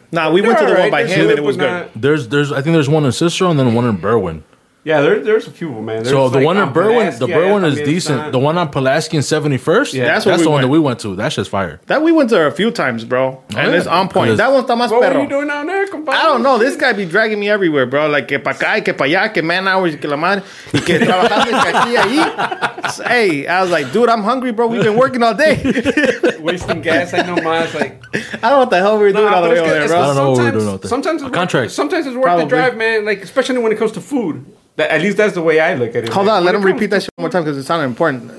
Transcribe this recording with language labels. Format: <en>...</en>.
<en>Nah, we went to the one by him and it was good. There's one in Cicero and then one in Berwyn. Yeah, there's a few of them, man. There's so the like, one in Berwyn, is decent. The one on Pulaski and 71st, that's the one that we went to. That's just fire. That we went there a few times, bro. Oh, and it's on point. That one's Tomas Perro. What are you doing down there, compadre? I don't know. This guy be dragging me everywhere, bro.</en> <es>Like, que pa' acá, que pa' allá, que man hours, que la madre, y que trabajaste aquí, ahí.</es> <en>Hey, I was like, dude, I'm hungry, bro. We've been working all day. Wasting gas. I know, man. Like, I don't know what the hell we're doing all the way over there, bro. I don't know what we're doing out there. Sometimes it's worth the drive, man. Like, especially when it comes to food. At least that's the way I look at it. Hold on. Let him repeat that shit one more time because it sounded important.</en>